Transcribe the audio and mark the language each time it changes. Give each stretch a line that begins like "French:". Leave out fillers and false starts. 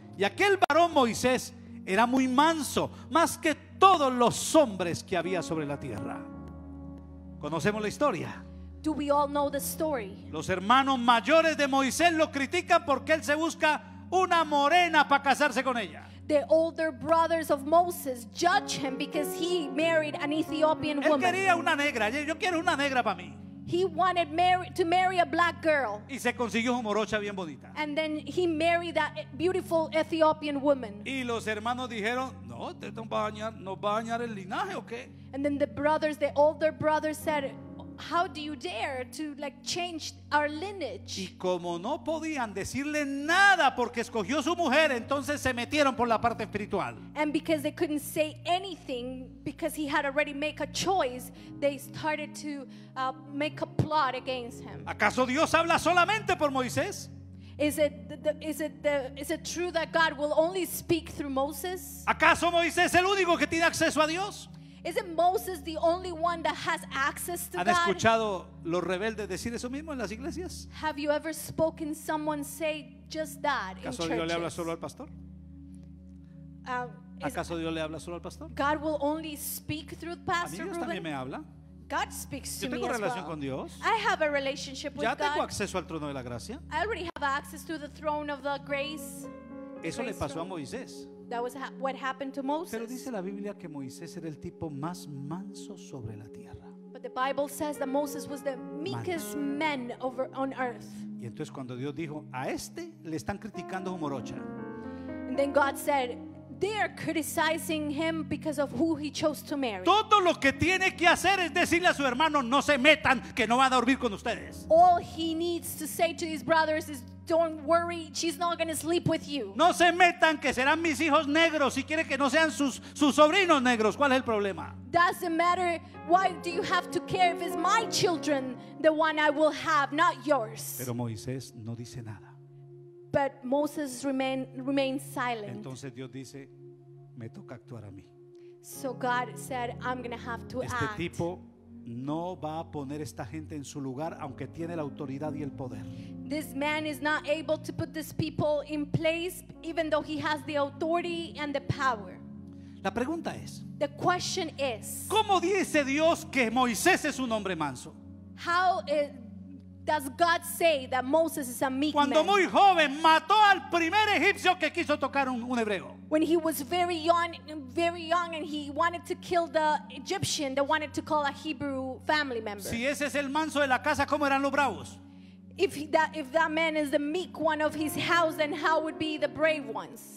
Spanish: Y aquel varón Moisés era muy manso, más que todos los hombres que había sobre la tierra. Conocemos la historia.
English: Do we all know the story?
Spanish: Los hermanos mayores de Moisés lo critican porque él se busca una morena para casarse con ella.
English: The older brothers of Moses judge him because he married an Ethiopian woman.
Spanish: Él quería una negra. Yo quiero una negra para mí.
English: He wanted to marry a black girl.
Spanish: Y se consiguió una morocha bien bonita.
English: And then he married that beautiful Ethiopian woman.
Spanish: Y los hermanos dijeron, no, te va a dañar, nos va a dañar el linaje, ¿o qué?
English: And then the older brothers said, how do you dare to like change our lineage?
Spanish: Y como no podían decirle nada porque escogió su mujer, entonces se metieron por la parte espiritual.
English: And because they couldn't say anything because he had already made a choice, they started to make a plot against him.
Spanish: ¿Acaso Dios habla solamente por Moisés?
English: Is it true that God will only speak through Moses?
Spanish: ¿Acaso Moisés es el único que tiene acceso a Dios?
English: Isn't Moses the only one that has access to God?
Spanish: ¿Han escuchado los rebeldes decir eso mismo en las iglesias?
English: Have you ever spoken someone say just that in
Spanish: churches? ¿Acaso Dios le habla solo al pastor? ¿Acaso Dios le habla solo al pastor?
English: God will only speak through Pastor Ruben.
Spanish: A mí Dios también me habla.
English: God speaks to
Spanish: me. Yo tengo relación con Dios.
English: I have a relationship with God.
Spanish: Ya tengo acceso al trono de la gracia.
English: I already have access to the throne of the grace.
Spanish: Eso le pasó a Moisés.
English: That was what happened to Moses.
Spanish: Pero dice la Biblia que Moisés era el tipo más manso sobre la tierra.
English: But the Bible says that Moses was the meekest man over on earth.
Spanish: Y entonces cuando Dios dijo, a este le están criticando su morocha.
English: And then God said, they are criticizing him because of who he chose to marry.
Spanish: Todo lo que tiene que hacer es decirle a su hermano, no se metan, que no va a dormir con ustedes.
English: All he needs to say to his brothers is, don't worry, she's not going to sleep with you.
Spanish: No se metan, que serán mis hijos negros. Si quiere que no sean sus sobrinos negros, ¿cuál es el problema?
English: Doesn't matter. Why do you have to care if it's my children, the one I will have, not yours?
Spanish: Pero Moisés no dice nada.
English: But Moses remained silent.
Spanish: Entonces Dios dice, me toca actuar a mí.
English: So God said, I'm going to have to act.
Spanish: Este tipo no va a poner esta gente en su lugar, aunque tiene la autoridad y el poder.
English: This man is not able to put these people in place, even though he has the authority and the power.
Spanish: La pregunta es,
English: the question is,
Spanish: ¿cómo dice Dios que Moisés es un hombre manso?
English: How does God say that Moses is a meek man?
Spanish: Cuando muy joven mató al primer egipcio que quiso tocar un hebreo.
English: When he was very young and he wanted to kill the Egyptian that wanted to call a Hebrew family member.
Spanish: Si ese es el manso de la casa, ¿cómo eran los bravos?
English: If that man is the meek one of his house, then how would be the brave ones?